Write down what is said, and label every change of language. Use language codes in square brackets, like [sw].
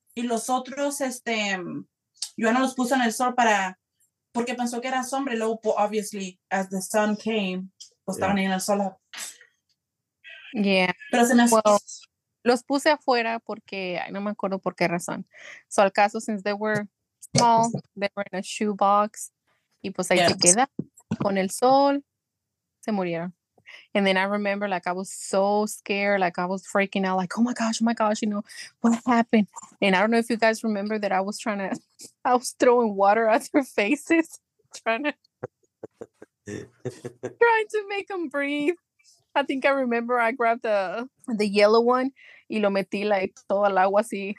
[es] Y los otros, Joana los puso en el sol porque pensó que era sombra. Luego, [en] obviously, as the sun came, [es] estaban ahí en el sol. [en] Yeah. [es] Pero se me hace. Well, los puse afuera porque, ay, no me acuerdo por qué razón. [en] So, [es] al caso, [en] since they were small, they were in a shoebox. [es] Y pues ahí se queda. Con el sol, se murieron. [en] And then I remember, like, I was so scared. Like, I was freaking out. Like, oh, my gosh, you know, what happened? And I don't know if you guys remember that I was throwing water at their faces. Trying to make them breathe. I think I remember I grabbed the yellow one. [es] Y lo metí, like, todo el agua así.